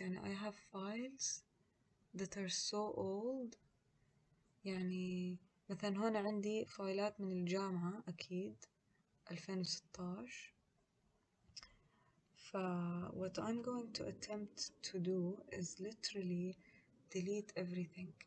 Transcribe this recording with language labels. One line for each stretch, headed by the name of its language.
English: يعني I have files that are so old.
Arabic: يعني مثلا هون عندي فايلات من الجامعة أكيد 2016، ف
English: what I'm going to attempt to do is literally delete everything.